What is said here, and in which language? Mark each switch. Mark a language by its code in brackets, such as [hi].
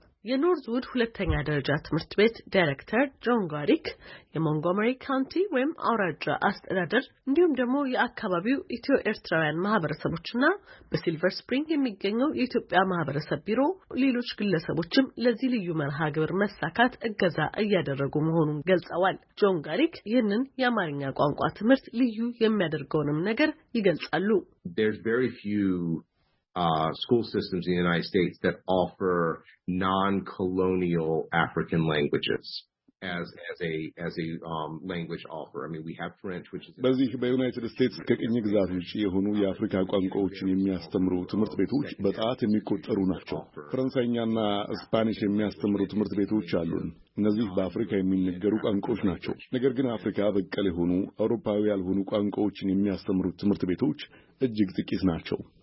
[am] የኖርዝውድ ሁለተኛ ደረጃ ትምህርት ቤት ዳይሬክተር ጆን ጋሪክ የሞንጎመሪ ካውንቲ ወይም አውራጃ አስተዳደር እንዲሁም ደግሞ የአካባቢው ኢትዮ ኤርትራውያን ማህበረሰቦችና በሲልቨር ስፕሪንግ የሚገኘው የኢትዮጵያ ማህበረሰብ ቢሮ ሌሎች ግለሰቦችም ለዚህ ልዩ መርሃ ግብር መሳካት እገዛ እያደረጉ መሆኑን ገልጸዋል። ጆን ጋሪክ ይህንን የአማርኛ ቋንቋ ትምህርት ልዩ የሚያደርገውንም ነገር ይገልጻሉ። [en] There's very few school systems in the United States that offer non-colonial African languages as a language offer. I mean, we have French, which is... [am] በዚህ በዩናይትድ ስቴትስ ከቅኝ ግዛት ውጪ የሆኑ የአፍሪካ ቋንቋዎችን የሚያስተምሩ ትምህርት ቤቶች በጣት የሚቆጠሩ ናቸው። ፈረንሳይኛና ስፓኒሽ የሚያስተምሩ ትምህርት ቤቶች አሉን። እነዚህ በአፍሪካ የሚነገሩ ቋንቋዎች ናቸው። ነገር ግን አፍሪካ በቀል የሆኑ አውሮፓዊ ያልሆኑ ቋንቋዎችን የሚያስተምሩ ትምህርት ቤቶች እጅግ ጥቂት ናቸው።